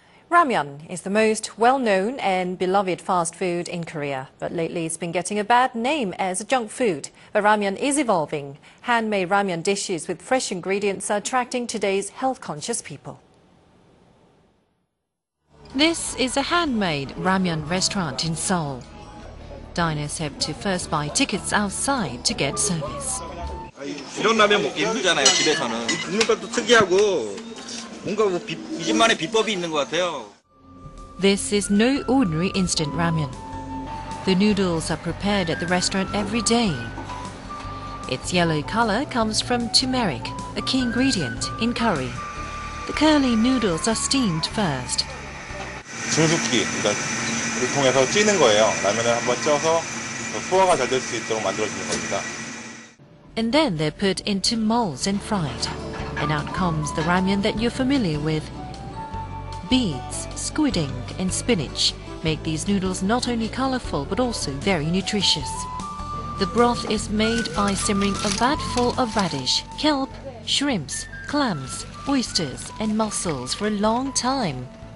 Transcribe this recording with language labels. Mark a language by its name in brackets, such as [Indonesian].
[English] Ramyeon is the most well-known and beloved fast food in Korea, but lately it's been getting a bad name as a junk food. But ramyeon is evolving. Handmade ramyeon dishes with fresh ingredients are attracting today's health-conscious people. This is a handmade ramyeon restaurant in Seoul. Diners have to first buy tickets outside to get service. [Korean] 이런 라면 먹기 힘들잖아요, 집에서는. 국물도 특이하고 뭔가 이 집만의 비법이 있는 것 같아요. [English] This is no ordinary instant ramyeon. The noodles are prepared at the restaurant every day. Its yellow color comes from turmeric, a key ingredient in curry. The curly noodles are steamed first. [Korean] 중숙기, 그러니까 통해서 찌는 거예요. 라면을 한번 쪄서 소화가 잘 될 수 있도록 만들어 주는 겁니다. [English] and then they're put into molds and fried. And out comes the ramyun that you're familiar with. Beets, squid ink, and spinach make these noodles not only colorful but also very nutritious. The broth is made by simmering a vat full of radish, kelp, shrimps, clams, oysters, and mussels for a long time.